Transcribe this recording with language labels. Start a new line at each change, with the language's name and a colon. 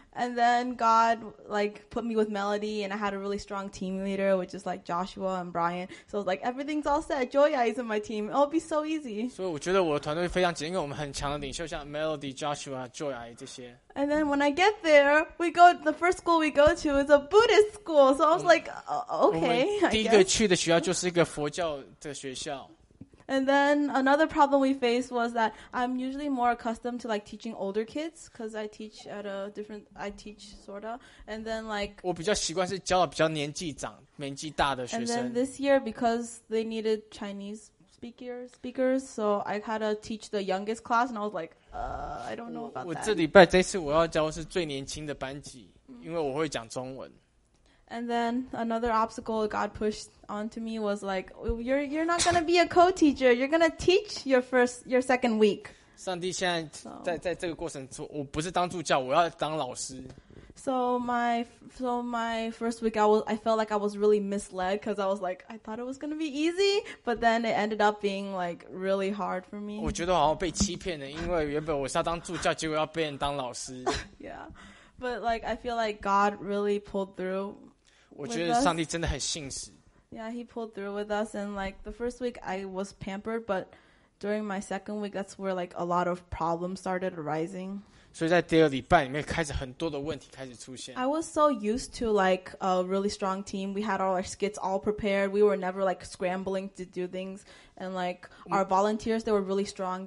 English: And then God like put me with Melody, and I had a really strong team leader, which is like Joshua and Brian. So I was like, everything's all set. Joya is in my team. It'll be so easy. So I think my team is very strong because we have strong leaders like Melody, Joshua, Joya, these. And then when I get there, we go the first school we go to is a Buddhist school. So I was like, okay.
Chinese: 我们第一个去的学校就是一个佛教的学校。
English: And then another problem we faced was that I'm usually more accustomed to like teaching older kids because I teach at a different, I teach sorta. And then like,
Chinese: 我比较习惯是教比较年纪大的学生。
English: And then this year, because they needed Chinese speakers, so I had to teach the youngest class, and I was like, I don't know about that.
Chinese: 我这礼拜这次我要教是最年轻的班级, 因为我会讲中文。
English: And then another obstacle God pushed onto me was like, you're not going to be a co-teacher. You're going to teach your second week.
Chinese: 上帝现在在这个过程中, 我不是当助教, 我要当老师。
English: So my first week, I felt like I was really misled because I was like, I thought it was going to be easy, but then it ended up being like really hard for me.
Chinese: 我觉得好像被欺骗了, 因为原本我是要当助教, 结果要被人当老师。
English: Yeah. But like I feel like God really pulled through.
Chinese: 我觉得上帝真的很信实。
English: Yeah, he pulled through with us, and like the first week I was pampered, but during my second week that's where like a lot of problems started arising.
Chinese: 所以在第二礼拜里面开始很多的问题开始出现。
English: I was so used to like a really strong team. We had all our skits all prepared. We were never like scrambling to do things, and like our volunteers, they were really strong.